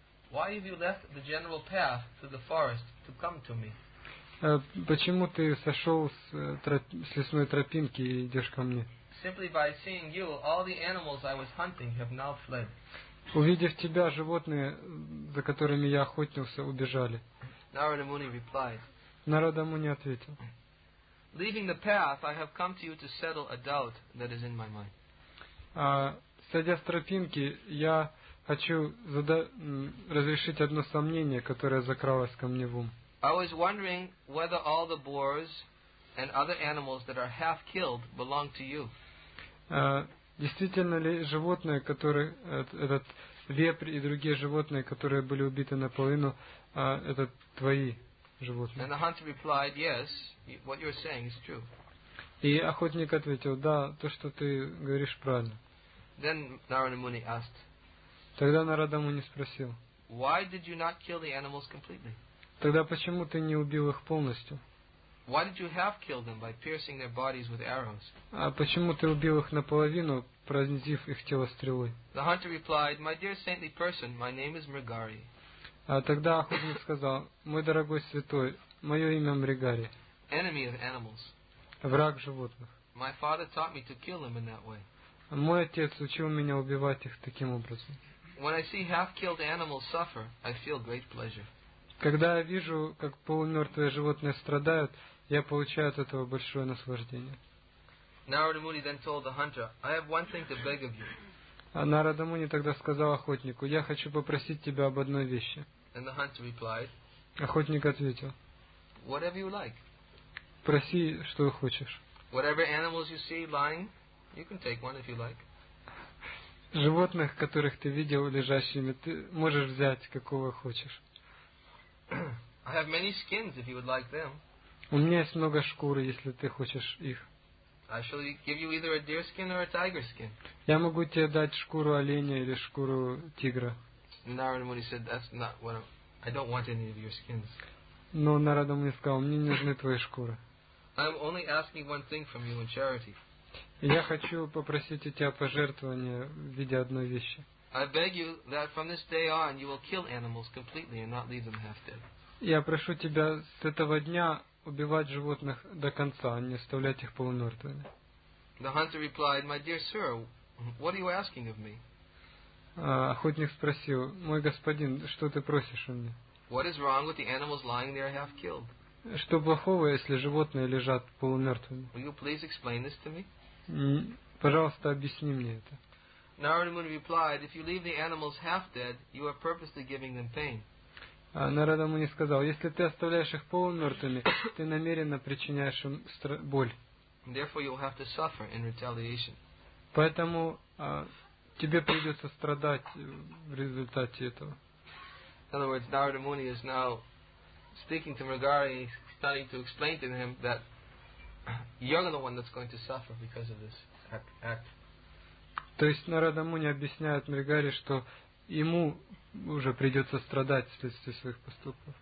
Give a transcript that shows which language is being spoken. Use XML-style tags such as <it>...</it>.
<en>Why have you left the general path through the forest to come to me?</en> <ru>Почему ты сошел с лесной тропинки и идешь ко мне?</ru> <en>Simply by seeing you, all the animals I was hunting have now fled.</en> <ru>Увидев тебя, животные, за которыми я охотился, убежали.</ru> <en>Narada Muni replied.</en> <ru>Нарада Муни ответил.</ru> <en>Leaving the path, I have come to you to settle a doubt that is in my mind.</en> <ru>Сойдя с тропинки, я хочу разрешить одно сомнение, которое закралось ко мне в ум.</ru> <en>I was wondering whether all the boars and other animals that are half killed belong to you.</en> <ru>Действительно ли животные, которые этот вепрь и другие животные, которые были убиты наполовину, это твои?</ru> <en>And the hunter replied, "Yes, what you're saying is true."</en> <ru>И охотник ответил, да, то, что ты говоришь, правильно.</ru> <en>Then Narada Muni asked.</en> <ru>Тогда Нарада Муни спросил.</ru> <en>Why did you not kill the animals completely?</en> <ru>Тогда почему ты не убил их полностью?</ru> <en>Why did you half kill them by piercing their bodies with arrows?</en> <ru>А почему ты убил их наполовину, пронзив их тело стрелой?</ru> <en>The hunter replied, "My dear saintly person, my name is Mrigari."</en> <ru>А тогда охотник сказал, мой дорогой святой, мое имя Мригари.</ru> <en>Enemy of animals.</en> <ru>Враг животных.</ru> <en>My father taught me to kill them in that way.</en> <ru>Мой отец учил меня убивать их таким образом.</ru> <en>When I see half-killed animals suffer, I feel great pleasure.</en> <ru>Когда я вижу, как полумертвые животные страдают, я получаю от этого большое наслаждение.</ru> <en>Narada Muni then told the hunter, I have one thing to beg of you.</en> <ru>Нарада Муни тогда сказал охотнику, я хочу попросить тебя об одной вещи.</ru> <en>And the hunter replied,</en> <ru>охотник ответил,</ru> <en>whatever you like.</en> <ru>Проси, что хочешь.</ru> <en>Whatever animals you see lying, you can take one if you like.</en> <ru>Животных, которых ты видел лежащими, ты можешь взять, какого хочешь.</ru> <en>I have many skins if you would like them.</en> <ru>У меня есть много шкур, если ты хочешь их.</ru> <en>I shall give you either a deer skin or a tiger skin.</en> <ru>Я могу тебе дать шкуру оленя или шкуру тигра.</ru> <en>Narada Muni said, "That's not what I don't want any of your skins."</en> <ru>Но Нарада Муни сказал, мне не нужны твои шкуры.</ru> <en>I'm only asking one thing from you in charity.</en> <ru>Я хочу попросить у тебя пожертвования в виде одной вещи.</ru> <en>I beg you that from this day on you will kill animals completely and not leave them half dead.</en> <ru>Я прошу тебя с этого дня убивать животных до конца, а не оставлять их полумертвыми.</ru> <en>The hunter replied, "My dear sir, what are you asking of me?"</en> <ru>Охотник спросил, мой господин, что ты просишь у меня?</ru> <en>What is wrong with the animals lying there half killed?</en> <ru>Что плохого, если животные лежат полумертвыми?</ru> <en>Will you please explain this to me?</en> <ru>Пожалуйста, объясни мне это.</ru> <en>Narada Muni replied, "If you leave the animals half dead, you are purposely giving them pain."</en> <ru>Нарада Муни сказал, если ты оставляешь их полумертвыми, ты намеренно причиняешь им боль.</ru> <en>Therefore, you'll have to suffer in retaliation.</en> <ru>Поэтому тебе придется страдать в результате этого.</ru> <en>In other words, Narada Muni is now speaking to Mrigari, starting to explain to him that you're the one that's going to suffer because of this act.</en> <ru>То есть Нарада Муни объясняет Мригари, что ему уже придется страдать вследствие своих поступков.</ru>